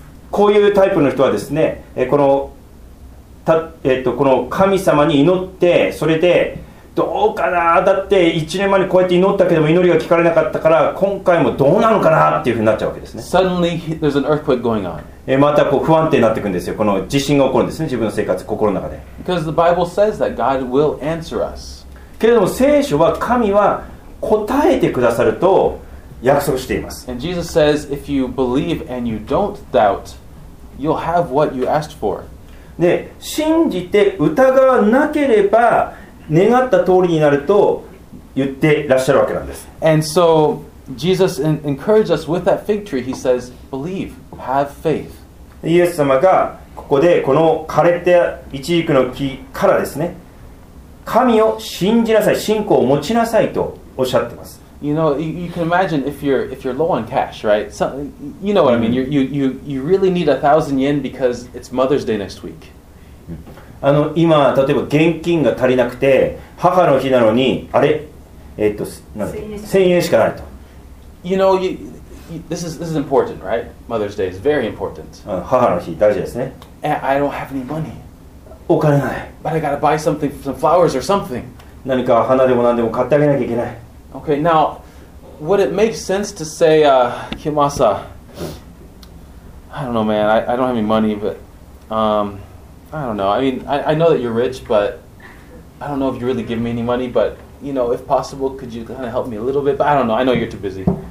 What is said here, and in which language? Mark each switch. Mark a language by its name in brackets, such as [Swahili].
[Japanese] こういうタイプの人はですね、このこの神様に祈って、それでどうかな、だって1年前にこうやって祈ったけども祈りが聞かれなかったから今回もどうなのかなっていうふうになっちゃうわけですね。 [English] Suddenly there's an earthquake going on. [Japanese] またこう不安定になっていくんですよ。この地震が起こるんですね、自分の生活、心の中で。 [English] Because the Bible says that God will answer us. [Japanese] けれども聖書は神は答えてくださると約束しています。 [English] And Jesus says if you believe and you don't doubt you'll have what you asked for. [Japanese] で信じて疑わなければ願った通りになると言ってらっしゃるわけなんです。 [English] And so Jesus encouraged us with that fig tree. He says believe, have faith. [Japanese] イエス様がここでこの枯れたイチジクの木からですね、神を信じなさい、信仰を持ちなさいとおっしゃってます。 [English] You know, you can imagine if you're low on cash, right? So, you know what I mean. You really need 1,000 yen because it's Mother's Day next week. [Japanese] 今例えば現金が足りなくて母の日なのにあれ1,000円しかないと。 [English] You know, this is important, right? Mother's Day is very important. [Japanese] 母の日大事ですね。 [English] And I don't have any money. [Japanese] お金ない。 [English] But I gotta buy something, some flowers or something. [Japanese] 何か花でも何でも買ってあげなきゃいけない。 [English] Okay, now, would it make sense to say, Kimasa, I don't know, man, I don't have any money, but, I don't know. I mean, I know that you're rich, but I don't know if you really give me any money, but, you know, if possible, could you kind of help me a little bit? But I don't know. I know you're too busy.